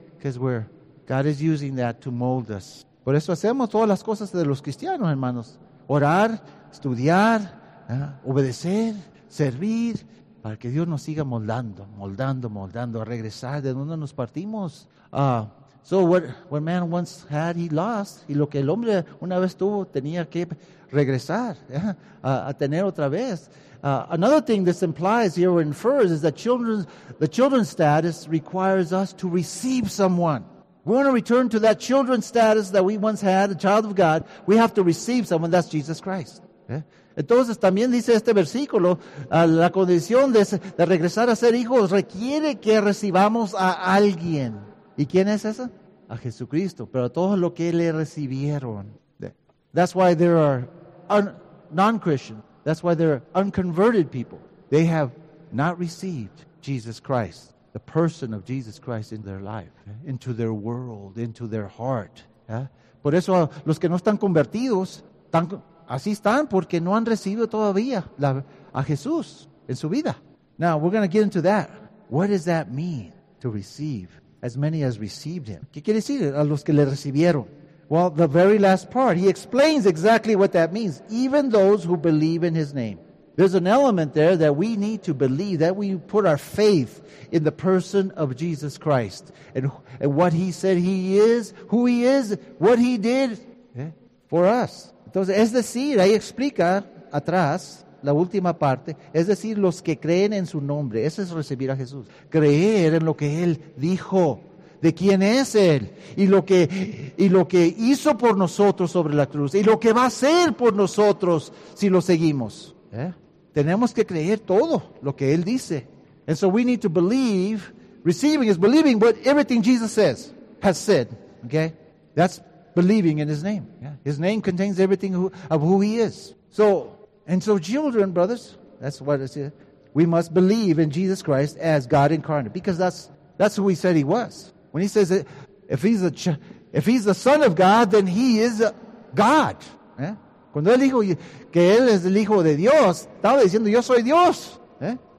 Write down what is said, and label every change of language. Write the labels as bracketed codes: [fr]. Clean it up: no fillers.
[en] Because God is using that to mold us. [es] Por eso hacemos todas las cosas de los cristianos, hermanos. Orar, estudiar, obedecer, servir, para que Dios nos siga moldando, a regresar de donde nos partimos. [en] So what man once had, he lost. [es] Y lo que el hombre una vez tuvo, tenía que regresar, a tener otra vez. [en] Another thing this implies here or infers is that the children's status requires us to receive someone. We want to return to that children's status that we once had, a child of God. We have to receive someone. That's Jesus Christ. ¿Eh? [es] Entonces también dice este versículo, la condición de regresar a ser hijos requiere que recibamos a alguien. ¿Y quién es esa? A Jesucristo. Pero todo lo que le recibieron. [en] That's why there are non-Christians. That's why they're unconverted people. They have not received Jesus Christ, the person of Jesus Christ in their life, into their world, into their heart. ¿Eh? [es] Por eso los que no están convertidos, así están porque no han recibido todavía a Jesús en su vida. [en] Now, we're going to get into that. What does that mean to receive as many as received Him? [es] ¿Qué quiere decir a los que le recibieron? [en] Well, the very last part, he explains exactly what that means. Even those who believe in His name. There's an element there that we need to believe, that we put our faith in the person of Jesus Christ and what He said He is, who He is, what He did for us. [es] Entonces, es decir, ahí explica atrás la última parte, es decir, los que creen en su nombre, ese es recibir a Jesús. Creer en lo que Él dijo. De quién es Él, y lo que hizo por nosotros sobre la cruz, y lo que va a hacer por nosotros si lo seguimos. ¿Eh? Tenemos que creer todo lo que Él dice. [en] And so we need to believe, receiving is believing what everything Jesus says, has said. Okay? That's believing in His name. Yeah. His name contains everything of who He is. So children, brothers, that's what it says. We must believe in Jesus Christ as God incarnate, because that's who He said He was. When He says, if he's the Son of God, then He is God. ¿Eh? [es] Cuando Él dijo que Él es el Hijo de Dios, estaba diciendo, yo soy Dios. ¿Eh?